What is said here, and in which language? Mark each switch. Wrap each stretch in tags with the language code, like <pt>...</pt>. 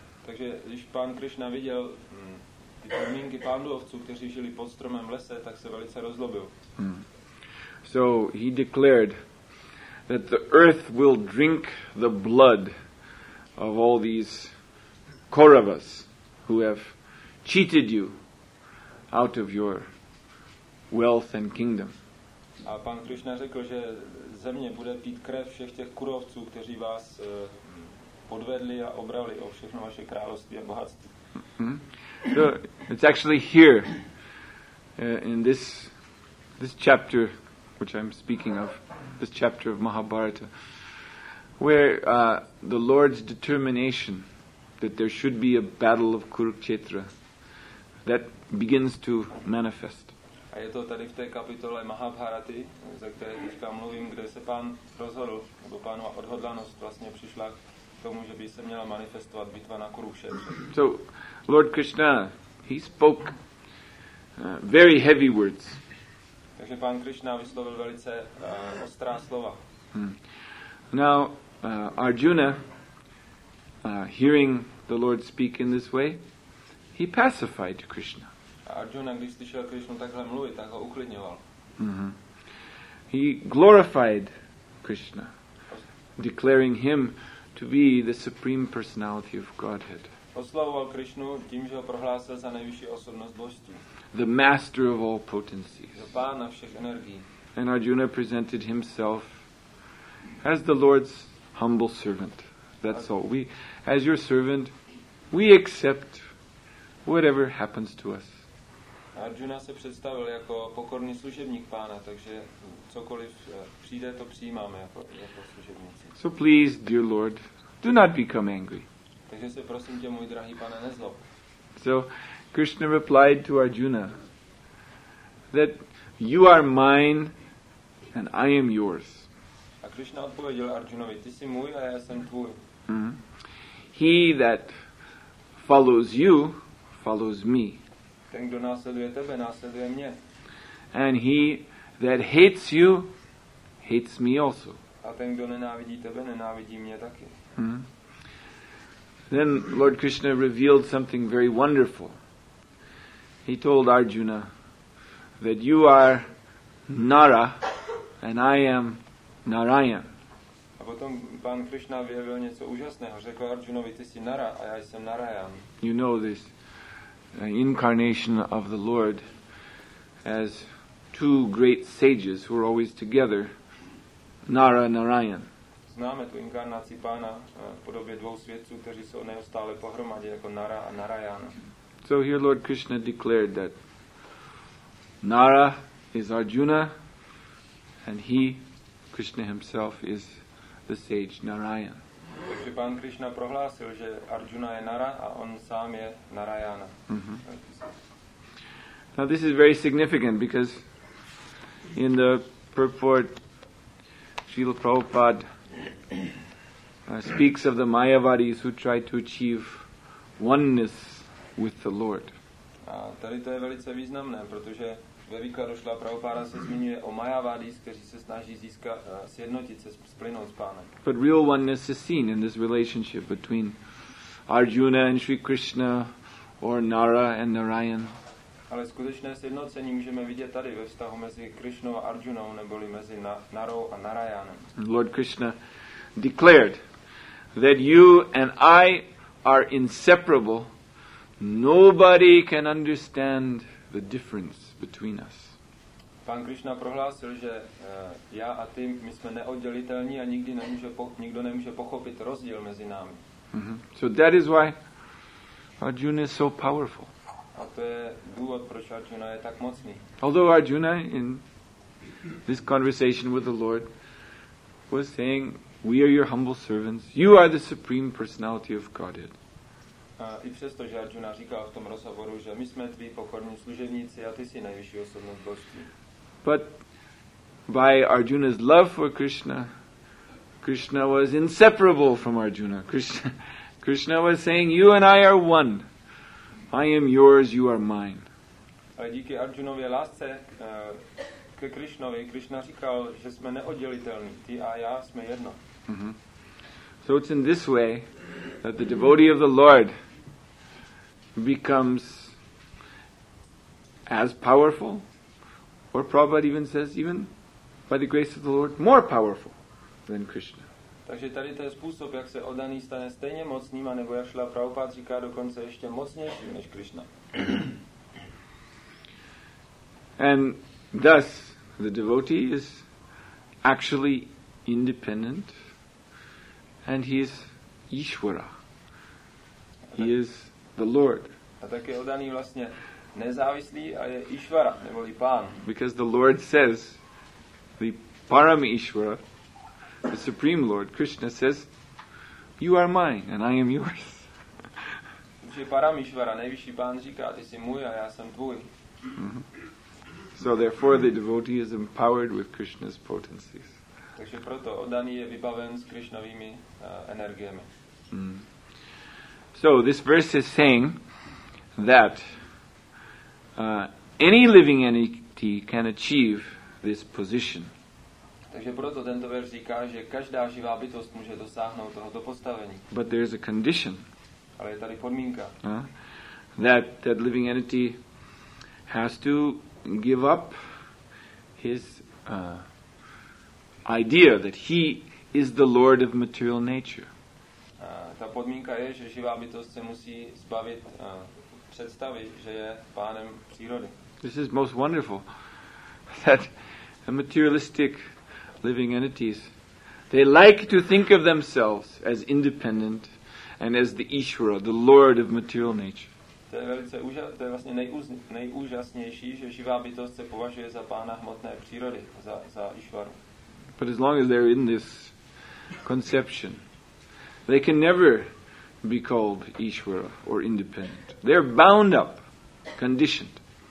<cs>Takže když pan Krishna viděl ty podmínky pandulovců, kteří žili pod stromem v lese, tak se velice rozlobil.</cs> <en>So he declared that the earth will drink the blood of all these Kauravas who have cheated you out of your wealth and kingdom.</en> <cs>A pan Krishna řekl, že země bude pít krev všech těch kurovců, kteří vás podvedli a obrali o všechno vaše království a bohatství.</cs> <en>So it's actually here in this chapter which I'm speaking of, this chapter of Mahabharata, where the Lord's determination that there should be a battle of Kurukshetra, that begins to manifest.</en> <cs>A je to tady v té kapitole Mahabharaty, ze které teďka mluvím, kde se pán rozhodl, nebo pánova odhodlanost vlastně přišla tomu, že by se měla manifestovat bitva na Kurukshetře.</cs> <en>So Lord Krishna, he spoke very heavy words.</en> <cs>Takže pán Krishna vyslovil velice ostrá slova.</cs> <en>Now Arjuna, hearing the Lord speak in this way, he pacified Krishna.</en> <cs>A Arjuna, když slyšel Krishnu takhle mluvit, tak ho uklidňoval.</cs> <en>He glorified Krishna, declaring him to be the supreme personality of Godhead.</en> <cs>Oslavoval Krishnu tím, že ho prohlásil za nejvyšší osobnost božství.</cs> <en>The master of all potencies.</en> <cs>Pána všech energií.</cs> <en>And Arjuna presented himself as the Lord's humble servant. That's all. We, as your servant, we accept whatever happens to us.</en> <cs>Arjuna se představil jako pokorný služebník pána, takže cokoliv přijde, to přijímáme jako služebníci.</cs> <en>So please, dear Lord, do not become angry.</en> <cs>Takže se prosím tě, můj drahý pane, nezlob.</cs> <en>So Krishna replied to Arjuna that you are mine and I am yours.</en> <cs>A Krishna odpověděl Arjunovi, ty jsi můj a já jsem tvůj.</cs> <en>He that follows you follows me.</en> <cs>Ten, kdo následuje tebe, následuje mě.</cs> <en>And he that hates you hates me also.</en> <cs>A ten, kdo nenávidí tebe, nenávidí mě taky.</cs> <en>Then Lord Krishna revealed something very wonderful. He told Arjuna that you are Nara and I am Narayan.</en> <cs>A potom pán Krišna vyjavil něco úžasného. Řekl Arjunovi, ty jsi Nara a já jsem Narayan.</cs> <en>You know this incarnation of the Lord as two great sages who are always together, Nara and Narayan.</en> <cs>Známe tu inkarnaci pána v podobě dvou světců, kteří jsou neustále pohromadě jako Nara a Narayan.</cs> <en>So here Lord Krishna declared that Nara is Arjuna and he, Krishna himself, is the sage Narayan.</en> <cs>Takže pán Krishna prohlásil, že Arjuna je Nara a on sám je Narayana.</cs> <en>Now this is very significant because in the purport Srila Prabhupada speaks of the Mayavadis who try to achieve oneness with the Lord.</en> <cs>A tady to je velice významné, protože ve výkladu Srila Prabhupada se zmiňuje o Mayavadis, kteří se snaží získat sjednotit se, splynout s pánem.</cs> <en>But real oneness is seen in this relationship between Arjuna and Sri Krishna or Nara and Narayan.</en> <cs>Ale skutečné sjednocení můžeme vidět tady ve vztahu mezi Krishnou a Arjunou, neboli mezi Narou a Narayanem.</cs> <en>Lord Krishna declared that you and I are inseparable. Nobody can understand the difference between us.</en> <cs>Pán Krishna prohlásil, že já a ty, my jsme neoddělitelní a nikdo nemůže pochopit rozdíl mezi námi.</cs> <en>So that is why Arjuna is so powerful.</en> <cs>A to je důvod, proč Arjuna je tak mocný.</cs> <en>Although Arjuna in this conversation with the Lord was saying, we are your humble servants, you are the supreme personality of Godhead.</en> <cs>A i přesto, že Arjuna říkal v tom rozhovoru, že my jsme tví pokorní služebníci a ty jsi nejvyšší osobnost božství.</cs> <en>But by Arjuna's love for Krishna, Krishna was inseparable from Arjuna. Krishna was saying, you and I are one. I am yours, you are mine.</en> <cs>Ale díky Arjunově lásce ke Krišnovi, Krišna říkal, že jsme neoddělitelní, ty a já jsme jedno.</cs> <en>So it's in this way that the devotee of the Lord becomes as powerful, or Prabhupada even says, even by the grace of the Lord, more powerful than Krishna.</en> <cs>Takže tady to je způsob, jak se oddaný stane stejně mocným, anebo jak Srila Prabhupada říká, dokonce ještě mocnější než Krishna.</cs> <en>And thus the devotee is actually independent and he is Ishvara. He is the Lord.</en> <cs>A tak je oddaný vlastně nezávislý a je Ishvara, neboli pán.</cs> <en>Because the Lord says, the Param Ishvara, the Supreme Lord Krishna says, you are mine and I am yours.</en> <cs>Že Paramishvara, nejvyšší pán, říká, ty jsi můj a já jsem tvůj.</cs> <en>So therefore the devotee is empowered with Krishna's potencies.</en> <cs>Takže proto oddaný je vybaven s Krishnovými energiemi.</cs> <en>So this verse is saying that any living entity can achieve this position.</en> <cs>Takže proto tento verš říká, že každá živá bytost může dosáhnout tohoto postavení.</cs> <en>But there is a condition.</en> <cs>Ale je tady podmínka.</cs> <en>That living entity has to give up his idea that he is the lord of material nature.</en> <cs>Ta podmínka je, že živá bytost se musí zbavit představy, že je pánem přírody.</cs> <en>This is most wonderful that a materialistic living entities, they like to think of themselves as independent and as the Ishvara, the lord of material nature.</en> <cs>To je velice úžasné, to je vlastně nejúžasnější, že živá bytost se považuje za pána hmotné přírody, za Ishvaru.</cs> <en>But as long as they're in this conception, they can never be called Ishvara or independent. They're bound up, conditioned.</en>